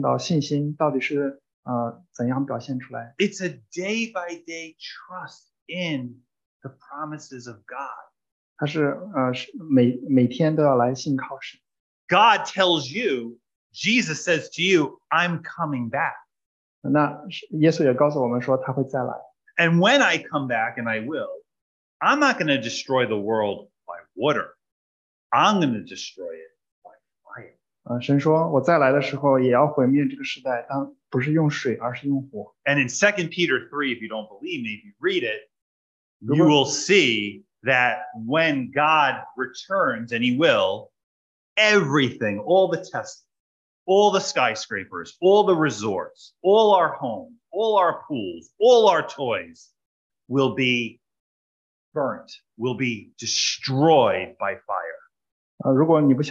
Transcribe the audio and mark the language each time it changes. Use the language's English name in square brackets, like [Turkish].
[Chinese] 那么大家有没有看到信心到底是怎样表现出来？ [English] It's a day-by-day trust in the promises of God. [Chinese] 它是每天都要来信靠神。 [English] God tells you, Jesus says to you, I'm coming back. [Chinese] 那耶稣也告诉我们说他会再来。 [English] And when I come back, and I will, I'm not going to destroy the world by water. I'm going to destroy it by fire. [Chinese] 神说我再来的时候也要毁灭这个时代，但不是用水，而是用火。 [English] And in 2 Peter 3, if you don't believe me, if you read it, you will see that when God returns, and he will, everything, all the tests, all the skyscrapers, all the resorts, all our homes, all our pools, all our toys will be burnt, will be destroyed by fire.